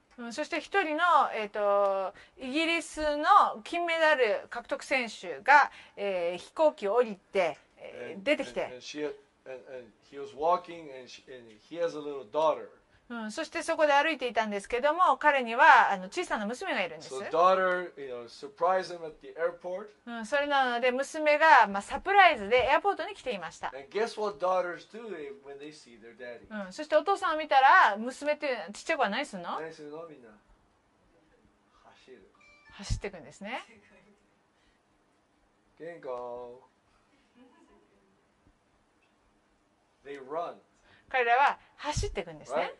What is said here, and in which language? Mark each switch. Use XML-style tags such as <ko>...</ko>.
<ja>そして一人のイギリスの金メダル獲得選手が、飛行機を降りて出てきて。</ja> <en>And he was walking and he has a little daughter.</en> <ja>そしてそこで歩いていたんですけども、彼にはあの小さな娘がいるんです。</ja> <en>So daughter, you know, surprised him at the airport.</en> <ja>それなので娘が、まあ、サプライズでエアポートに来ていました。</ja> <en>And guess what daughters do when they see their daddy?</en> <ja>そしてお父さんを見たら娘っていうちっちゃい子は何するの？何するのみんな？走る。走っていくんですね。元気。</ja> <en>They run.</en> <ja>彼らは走っていくんですね。</ja>